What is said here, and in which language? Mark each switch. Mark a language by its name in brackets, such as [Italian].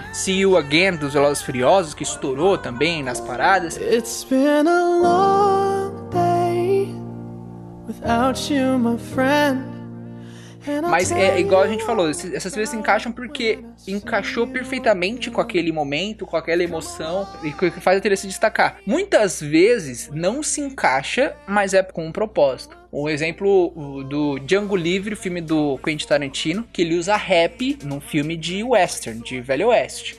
[Portuguese] See You Again, dos Velozes Furiosos, que estourou também nas paradas. [English] It's been a long day without you, my friend. [Portuguese] Mas é igual a gente falou, essas trilhas se encaixam porque encaixou perfeitamente com aquele momento, com aquela emoção, e que faz a trilha se destacar. Muitas vezes não se encaixa, mas é com um propósito. Um exemplo do Django Livre, o filme do Quentin Tarantino, que ele usa rap num filme de western, de velho oeste.